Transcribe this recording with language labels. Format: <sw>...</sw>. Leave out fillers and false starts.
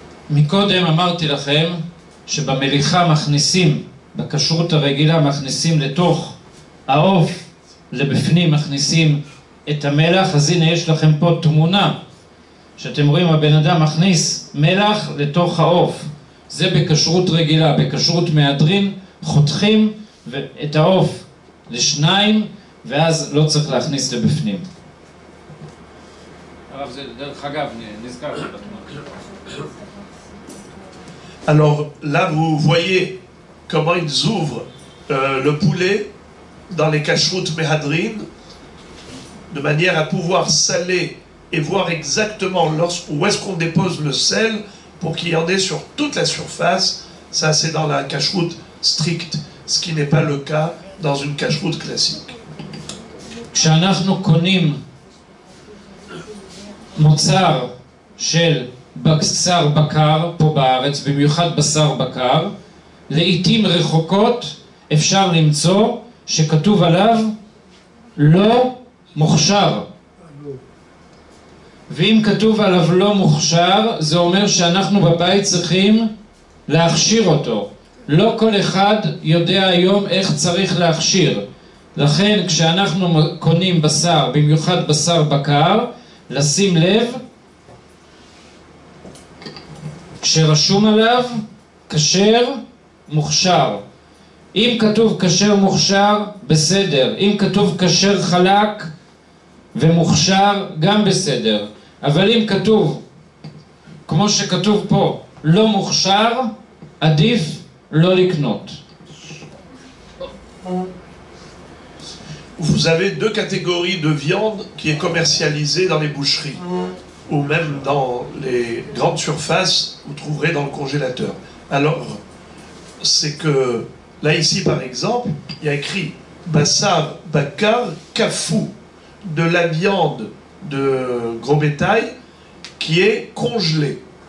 <he>מקודם אמרתי לכם שבמליחה מכניסים, בקשרות הרגילה מכניסים לתוך העוף, לבפנים מכניסים את המלח, אז הנה יש לכם פה תמונה שאתם רואים הבן אדם מכניס מלח לתוך העוף. זה בקשרות רגילה, בקשרות מהדרין חותכים את העוף לשניים ואז לא צריך להכניס לבפנים. הרב, זה דרך אגב נזכר בתמונה.</he> <fr>Alors là, vous voyez comment ils ouvrent le poulet dans les cachroutes mehadrin, de manière à pouvoir saler et voir exactement où est-ce qu'on dépose le sel pour qu'il y en ait sur toute la surface. Ça, c'est dans la cachroute stricte, ce qui n'est pas le cas dans une cachroute classique. Quand nous connaissons le mozzar shel</fr> <he>בשר בקר פה בארץ, במיוחד בשר בקר, לעיתים רחוקות אפשר למצוא שכתוב עליו לא מוכשר. ואם כתוב עליו לא מוכשר, זה אומר שאנחנו בבית צריכים להכשיר אותו. לא כל אחד יודע היום איך צריך להכשיר. לכן כשאנחנו קונים בשר, במיוחד בשר בקר, לשים לב שרשום עליו כשר מוכשר. אם כתוב כשר מוכשר, בסדר. אם כתוב כשר חלק ומוכשר, גם בסדר. אבל אם כתוב, כמו שכתוב פה, לא מוכשר, עדיף לא לקנות.</he> <fr>Vous avez deux catégories de viande qui est commercialisée dans les boucheries. Ou même dans les grandes surfaces, vous trouverez dans le congélateur. Alors, c'est que, là ici par exemple, il y a écrit « Bassar, Bakar, Kafou » de la viande de gros bétail qui est congelée.</fr>